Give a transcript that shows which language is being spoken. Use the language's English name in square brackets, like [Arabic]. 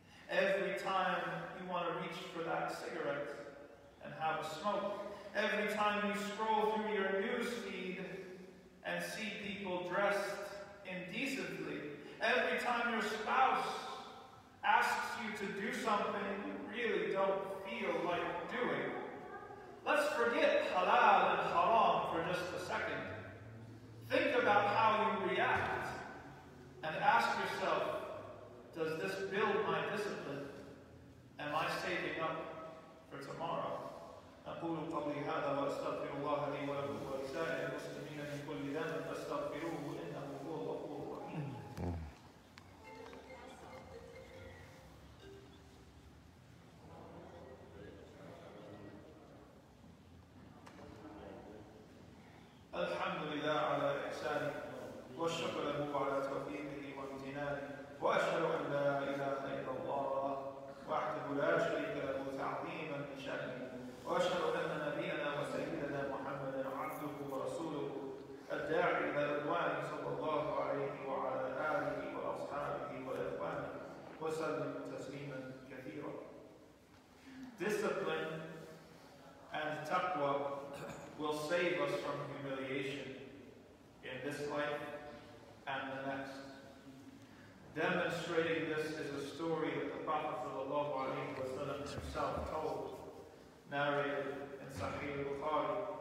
[English] Every time you want to reach for that cigarette and have a smoke, every time you scroll through your news feed and see people dressed indecently, every time your spouse asks you to do something you really don't feel like doing, let's forget halal and haram for just a second. Think about how you react and ask yourself, does this build my discipline? Am I saving up for tomorrow? [Arabic] أقول قولي هذا وأستغفر الله لي ولكم ولسائر المسلمين من كل ذنب فاستغفروه إنه هو الغفور الرحيم. الحمد لله على إحسانه والشكر له على توفيقه وامتنانه وأشهد أن لا إله إلا الله وحده لا شريك له تعظيما لشأنه وأشهد أن نبينا وسيدنا محمدا عبده ورسوله الداعي إلى رضوانه صلى الله عليه وعلى آله وأصحابه وإخوانه وسلم تسليما كثيرا. [English] Discipline and taqwa will save us from humiliation in this life and the next. Demonstrating this is a story that the Prophet sallallahu alaihi wasallam himself told, narrated in Sahih Bukhari.